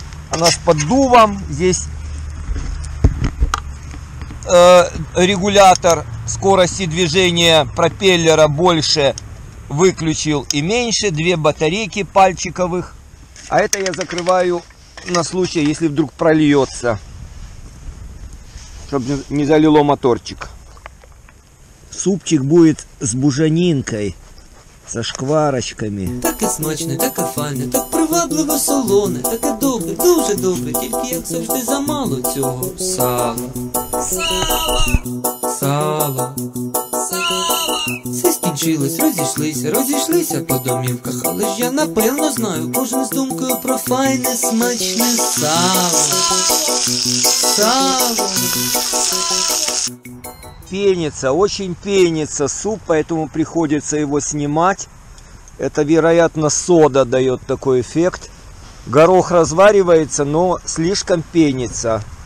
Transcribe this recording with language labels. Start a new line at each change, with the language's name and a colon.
Russian: Она с поддувом. Здесь регулятор скорости движения пропеллера больше выключил и меньше. Две батарейки пальчиковых. А это я закрываю на случай, если вдруг прольется. Чтобы не залило моторчик. Супчик будет с бужанинкой. Со шкварочками.
Ukrainian: Так и смачно, так и файно, так привабливо солоне, так и добре, дуже добре, тільки як завжди замало цього сала. Сала! Сала! Все скінчилось, розійшлися по домівках, але ж я напевно знаю кожен з думкою про файне, смачне сало. Сала!
Russian: Пенится, очень пенится суп, поэтому приходится его снимать. Это, вероятно, сода дает такой эффект. Горох разваривается, но слишком пенится.